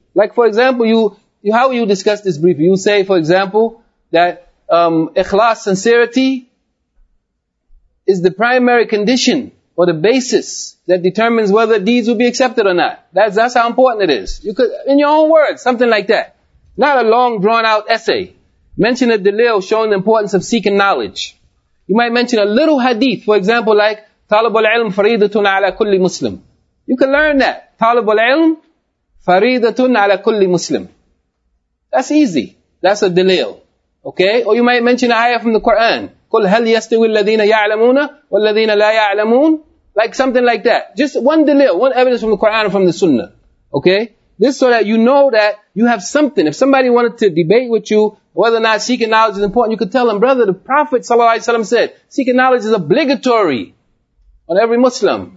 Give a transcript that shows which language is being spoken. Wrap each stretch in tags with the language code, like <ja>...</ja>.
<en>Like, for example, how will you discuss this briefly? You say, for example, that ikhlas, sincerity, is the primary condition or the basis that determines whether deeds will be accepted or not. That's how important it is. You could, in your own words, something like that. Not a long, drawn-out essay. Mention a dalil showing the importance of seeking knowledge. You might mention a little hadith, for example, like,</en> <ar>طالب العلم فريدتنا على كل مسلم.</ar> <en>You can learn that.</en> <ar>طالب العلم فريدتن على كل مسلم.</ar> <en>That's easy. That's a dalil. Okay? Or you might mention an ayah from the Quran.</en> <ar>قل هل يستوي الذين يعلمون والذين لا يعلمون.</ar> <en>Like something like that. Just one dalil, one evidence from the Quran or from the Sunnah. Okay? This so that you know that you have something. If somebody wanted to debate with you whether or not seeking knowledge is important, you could tell them, brother, the Prophet said, seeking knowledge is obligatory on every Muslim.</en>